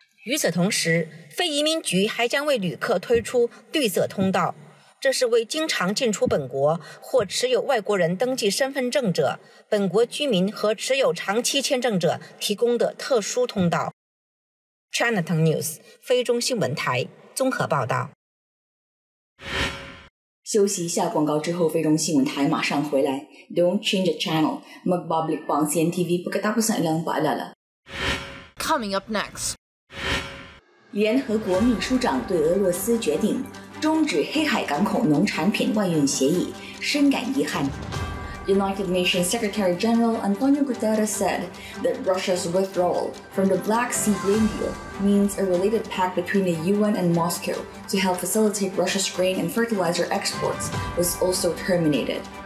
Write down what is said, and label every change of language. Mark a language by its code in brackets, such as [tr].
[zh] 与此同时，非移民局还将为旅客推出绿色通道，这是为经常进出本国或持有外国人登记身份证者、本国居民和持有长期签证者提供的特殊通道。 Cntv News 菲中新闻台综合报道。休息一下广告之后，菲中新闻台马上回来。 [en] Don't change the channel. [tl] Magbablik pa ang CNTV pagkatapos ng ilang paalala. [en] Coming up next. [zh] 联合国秘书长对俄罗斯决定终止黑海港口农产品外运协议深感遗憾。 [en] United Nations Secretary General Antonio Guterres said that Russia's withdrawal from the Black Sea Grain Deal means a related pact between the UN and Moscow to help facilitate Russia's grain and fertilizer exports was also terminated.